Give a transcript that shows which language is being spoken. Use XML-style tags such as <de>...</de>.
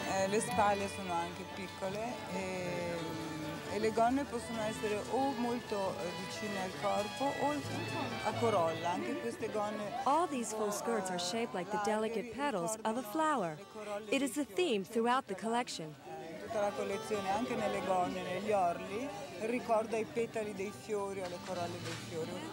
<it>Le spalle sono anche piccole e le gonne possono essere o molto vicine al corpo o a corolla. Anche queste gonne.</it> <en>All these full skirts are shaped like the delicate petals of a flower. It is a theme throughout the collection.</en> <it>Tutta la collezione, anche nelle gonne, negli orli. Ricorda I petali dei fiori o le corolle dei fiori.</it>